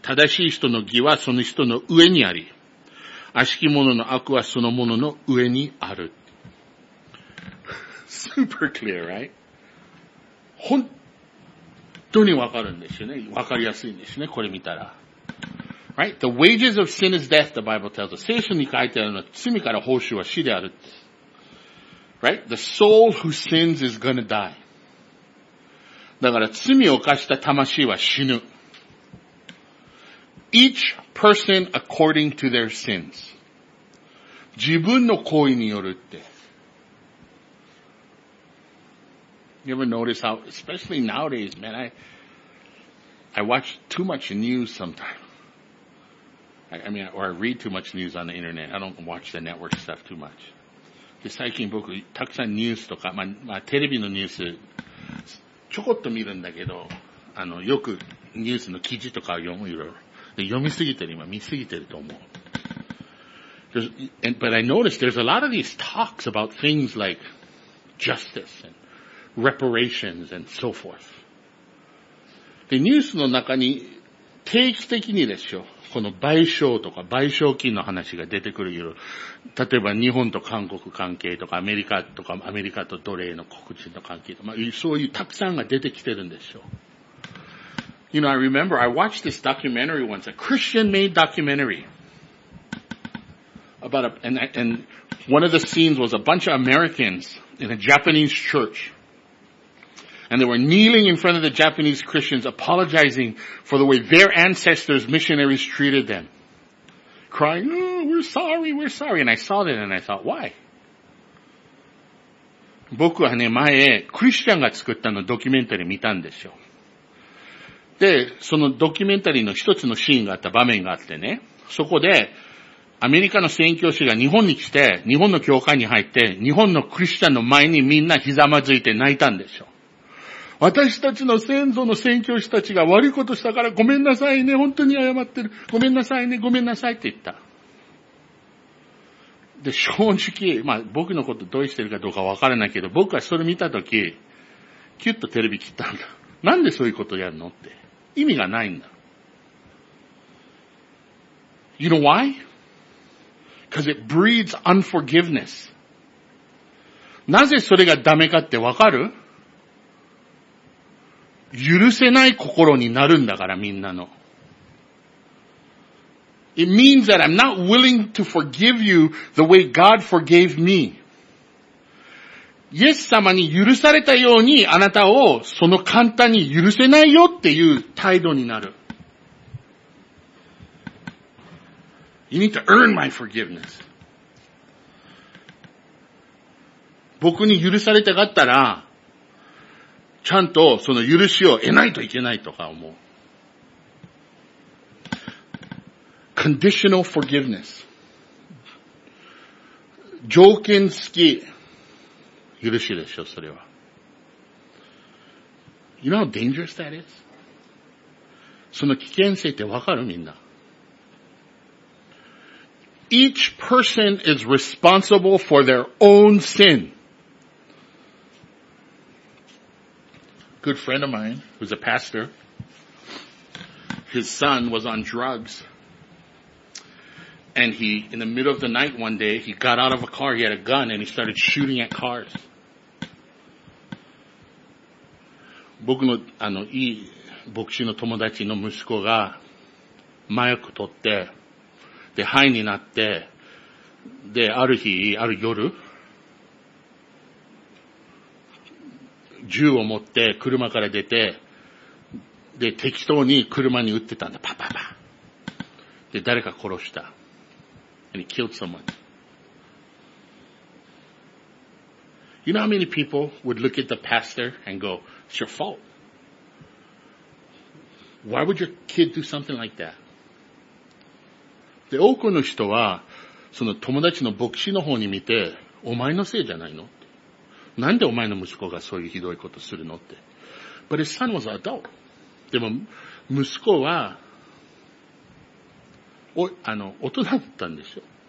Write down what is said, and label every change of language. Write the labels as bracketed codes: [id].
[ja] 正しい人の義はその人の上にあり。悪しき者の悪はその者の上にある。 [en] Super clear, right? [ja] 本当にわかるんですよね。わかりやすいんですね。これ見たら。 [en] Right? The wages of sin is death, the Bible tells us. [ja] 聖書に書いてあるのは罪から報酬は死である。 [en] Right? The soul who sins is gonna die. [ja] だから罪を犯した魂は死ぬ。 [en] Each person according to their sins. [ja] 自分の行為によるって。 [en] You ever notice how, especially nowadays, man, I watch too much news sometimes. I read too much news on the internet. I don't watch the network stuff too much. [ja] で、最近僕、たくさんニュースとか、まあ、テレビのニュース、ちょこっと見るんだけど、よくニュースの記事とかを読む、いろいろ。で、読みすぎてる、今見すぎてると思う。 [en] But I noticed there's a lot of these talks about things like justice and reparations and so forth. [ja] で、ニュースの中に定期的にですよ、この賠償とか賠償金の話が出てくるよ。例えば日本と韓国関係とか、アメリカとか、アメリカと奴隷の黒人の関係とか、まあ、そういうたくさんが出てきてるんですよ。 [en] You know, I remember I watched this documentary once, a Christian-made documentary about one of the scenes was a bunch of Americans in a Japanese church, and they were kneeling in front of the Japanese Christians, apologizing for the way their ancestors, missionaries, treated them, crying, "Oh, we're sorry, we're sorry." And I saw that, and I thought, why? [ja] 僕はね、前クリスチャンが作ったのドキュメンタリー見たんですよ。で、そのドキュメンタリーの一つのシーンがあった場面があってね、そこで、アメリカの宣教師が日本に来て、日本の教会に入って、日本のクリスチャンの前にみんなひざまずいて泣いたんでしょ。私たちの先祖の宣教師たちが悪いことしたからごめんなさいね、本当に謝ってる。ごめんなさいね、ごめんなさいって言った。で、正直、まあ僕のことどうしてるかどうかわからないけど、僕はそれ見たとき、キュッとテレビ切ったんだ。なんでそういうことやるのって。意味がないんだ。 [en] You know why? Because it breeds unforgiveness. [ja] なぜそれがダメかってわかる? 許せない心になるんだからみんなの。 [en] It means that I'm not willing to forgive you the way God forgave me. [ja] イエス様に許されたようにあなたをその簡単に許せないよっていう態度になる。 [en] You need to earn my forgiveness. [ja] 僕に許されたかったら、ちゃんとその許しを得ないといけないとか思う。 [en] Conditional forgiveness. [ja] 条件付き許しでしょ、それは。 [en] You know how dangerous that is? [ja] その危険性ってわかる?みんな。 [en] Each person is responsible for their own sin. A good friend of mine, who's a pastor, his son was on drugs. And he, in the middle of the night one day, he got out of a car, he had a gun, and he started shooting at cars. [ja] 僕の、あの、いい、牧師の友達の息子が、麻薬取って、で、ハイになって、で、ある日、ある夜、銃を持って車から出て、で、適当に車に撃ってたんだ。パッパッパッ。で、誰か殺した。 [en] And he killed someone. You know how many people would look at the pastor and go, it's your fault. Why would your kid do something like that? [ja] で、多くの人は、その友達の牧師の方に見て、お前のせいじゃないの? なんでお前の息子がそういうひどいことするの? [en] って。But his son was an adult. [ja] でも、息子は、大人だったんですよ。